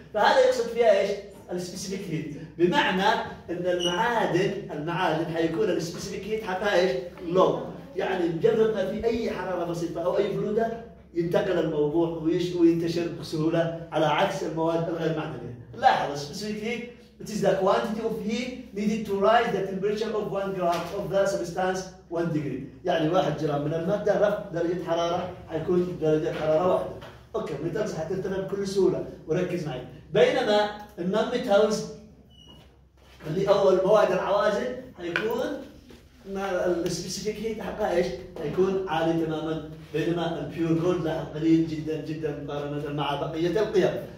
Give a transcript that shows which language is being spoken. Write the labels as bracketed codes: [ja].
[ar] فهذا يقصد فيها ايش؟ السبيسيفيك هيت، بمعنى ان المعادن حيكون السبيسيفيك هيت حتى ايش؟ لو يعني مجرد ما في اي حراره بسيطه او اي بروده ينتقل الموضوع وينتشر بسهوله على عكس المواد الغير معدنيه. لاحظ السبيسيفيك هيت [en] It is the quantity of heat needed to rise the temperature of 1 gram of the substance 1 degree. [ar] يعني 1 جرام من المادة رفع درجة حرارة حيكون درجة حرارة واحدة. اوكي الميترز حتنتبه بكل سهولة وركز معي. بينما النانميترز اللي أول مواد العوازل حيكون السبيسيفيك هيت حقها ايش؟ حيكون عالي تماما، بينما البيور جولد لها قليل جدا جدا مقارنة مع بقية القيم.